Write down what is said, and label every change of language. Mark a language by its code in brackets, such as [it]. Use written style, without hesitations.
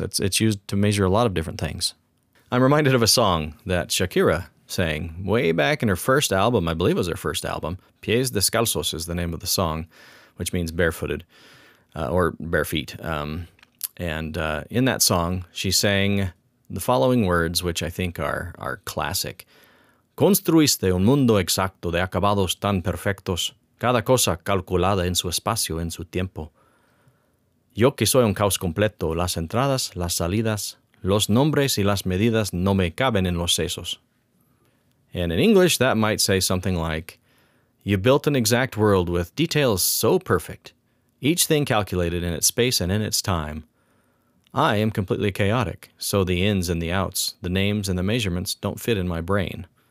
[en] It's used to measure a lot of different things. I'm reminded of a song that Shakira sang way back in her first album. I believe it was her first album. Pies Descalzos is the name of the song, which means barefooted or bare feet. In that song, she sang the following words, which I think are classic. [es] Construiste un mundo exacto de acabados tan perfectos, cada cosa calculada en su espacio, en su tiempo. Yo que soy un caos completo, las entradas, las salidas, los nombres y las medidas no me caben en los sesos. [en] And in English, that might say something like, "You built an exact world with details so perfect, each thing calculated in its space and in its time. I am completely chaotic, so the ins and the outs, the names and the measurements don't fit in my brain."